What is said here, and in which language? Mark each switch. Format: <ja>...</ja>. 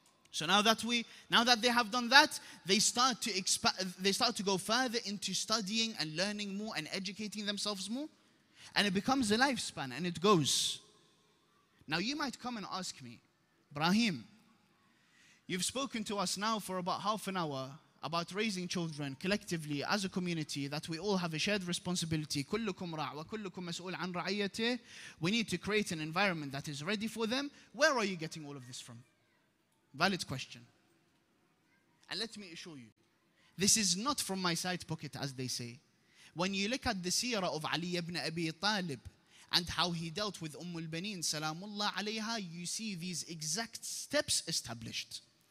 <en>So now that they have done that, they start to go further into studying and learning more and educating themselves more. And it becomes a lifespan and it goes. Now you might come and ask me, Ibrahim, you've spoken to us now for about half an hour about raising children collectively as a community, that we all have a shared responsibility.</en> <ar>كلكم راع وكلكم مسؤول عن رعيته.</ar> <en>We need to create an environment that is ready for them. Where are you getting all of this from? Valid question. And let me assure you, this is not from my side pocket, as they say. When you look at the seerah of Ali ibn Abi Talib and how he dealt with Ummul Baneen, Salamullah alayha, you see these exact steps established.</en>